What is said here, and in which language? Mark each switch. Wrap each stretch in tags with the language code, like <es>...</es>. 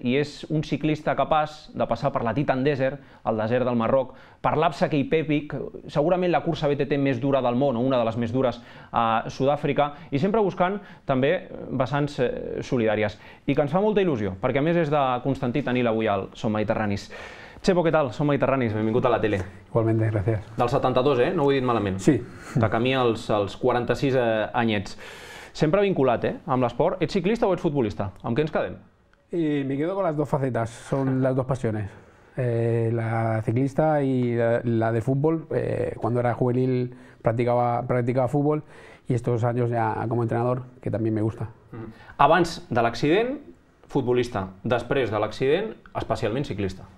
<ca>I és un ciclista capaç de passar per la Titan Desert, el desert del Marroc, per l'Absaq Cape Epic, segurament la cursa BTT més dura del món, o una de les més dures a Sud-àfrica, i sempre buscant també vessants solidàries. I que ens fa molta il·lusió, perquè a més és de Constantí tenir l'avui al Som Mediterranis. Chepo, què tal? Som Mediterranis, benvingut a la tele.</ca> <es>Igualmente, gracias.</es> <ca>Del 72, no ho he dit malament. Sí. De camí als 46 anyets. Sempre vinculat amb l'esport. Ets ciclista o ets futbolista? Amb què ens quedem?</ca> <es>Y me quedo con las dos facetas, son las dos pasiones. La ciclista y la de fútbol. Cuando era juvenil practicaba fútbol y estos años ya como entrenador, que también me gusta.</es> <ca>Abans de l'accident, futbolista. Després de l'accident, especialment ciclista.</ca>